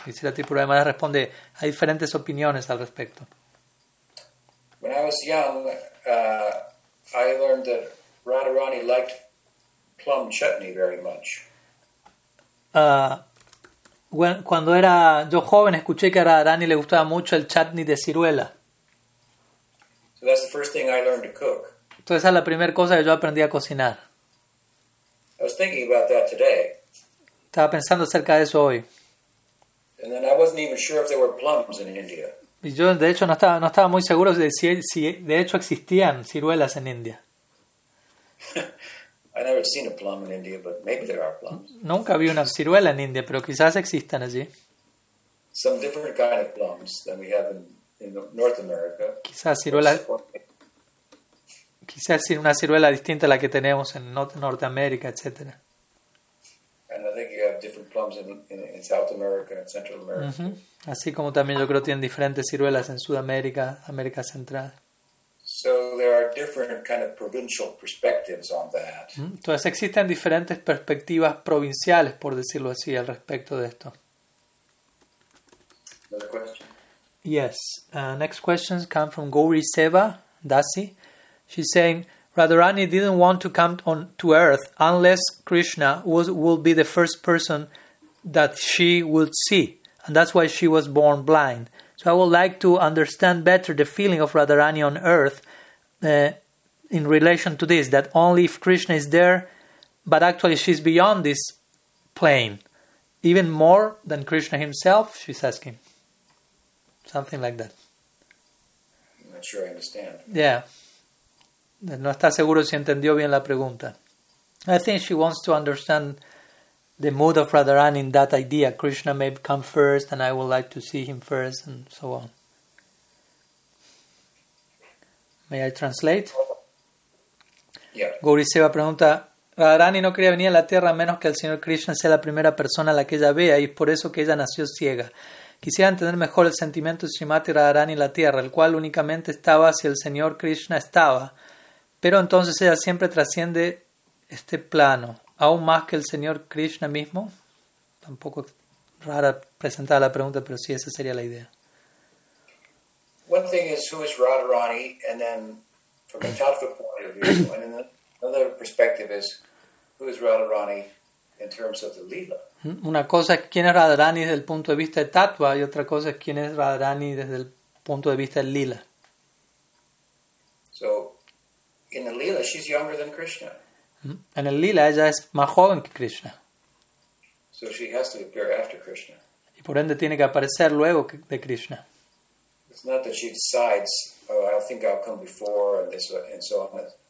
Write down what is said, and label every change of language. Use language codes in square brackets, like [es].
[es] Y si la tipo además responde, hay diferentes opiniones al respecto. [en] When I was young, I learned that Radharani liked plum chutney very much. [es] Cuando era yo joven, escuché que a Radharani le gustaba mucho el chutney de ciruela. [en] So that's the first thing I learned to cook. [es] Entonces, esa es la primera cosa que yo aprendí a cocinar. [en] I was thinking about that today. [es] Estaba pensando acerca de eso hoy. [en] And then I wasn't even sure if there were plums in India. [es] Y yo, de hecho, no estaba muy seguro de si de hecho existían ciruelas en India. [en] I never seen a plum in India, but maybe there are plums. [es] Nunca vi una ciruela en India, pero quizás existan allí. [en] Some different kind of plums than we have in North America. [es] Quizás una ciruela distinta a la que tenemos en Norteamérica, etc. [en] And I think you have different plums in South America and Central America. Uh-huh. [es] Así como también yo creo tienen diferentes ciruelas en Sudamérica, América Central. [en] So there are different kind of provincial perspectives on that. [es] Entonces existen diferentes perspectivas provinciales, por decirlo así, al respecto de esto. [en] Another question. Yes. Next questions come from Gauri Seva Dasi. She's saying, Radharani didn't want to come to earth unless Krishna would be the first person that she would see. And that's why she was born blind. So I would like to understand better the feeling of Radharani on earth in relation to this, that only if Krishna is there, but actually she's beyond this plane, even more than Krishna himself, she's asking. Something like that. I'm not sure I understand. Yeah. [es] No está seguro si entendió bien la pregunta. [en] I think she wants to understand the mood of Radharani in that idea. Krishna may come first and I would like to see him first and so on. May I translate? Yeah. [es] Gauri Seva pregunta, Radharani no quería venir a la tierra a menos que el señor Krishna sea la primera persona a la que ella vea y es por eso que ella nació ciega. Quisiera entender mejor el sentimiento de Srimati Radharani en la tierra, el cual únicamente estaba si el señor Krishna estaba. Pero entonces ella siempre trasciende este plano, aún más que el señor Krishna mismo. Tampoco es rara presentar la pregunta, pero sí, esa sería la idea. [en] One thing is who is Radharani, and then from a tantric point of view, and then another perspective is who is Radharani in terms of the lila. [es] Una cosa es quién es Radharani desde el punto de vista de tatua, y otra cosa es quién es Radharani desde el punto de vista del lila. [en] So, in the lila, she's younger than Krishna. [es] En el lila, ella es más joven que Krishna. [en] So she has to appear after Krishna. [es] Y por ende tiene que aparecer luego de Krishna. [en] It's not that she decides, oh, I think I'll come before and so on.